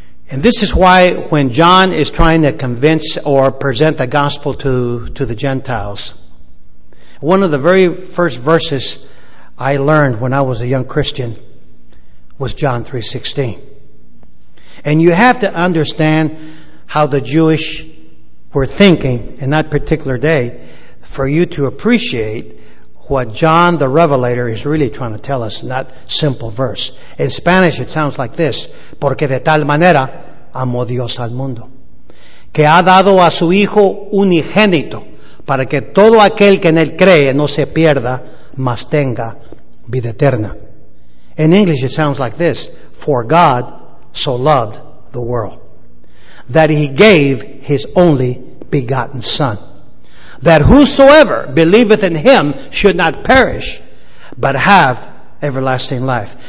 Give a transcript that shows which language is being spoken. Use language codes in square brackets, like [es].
[en] And this is why when John is trying to convince or present the gospel to the Gentiles, one of the very first verses I learned when I was a young Christian was John 3:16. And you have to understand how the Jewish were thinking in that particular day, for you to appreciate what John the Revelator is really trying to tell us in that simple verse. In Spanish, it sounds like this. [es] Porque de tal manera amó Dios al mundo, que ha dado a su Hijo unigénito, para que todo aquel que en él cree no se pierda, mas tenga vida eterna. [en] In English, it sounds like this. For God so loved the world, that he gave his only begotten Son, that whosoever believeth in him should not perish, but have everlasting life.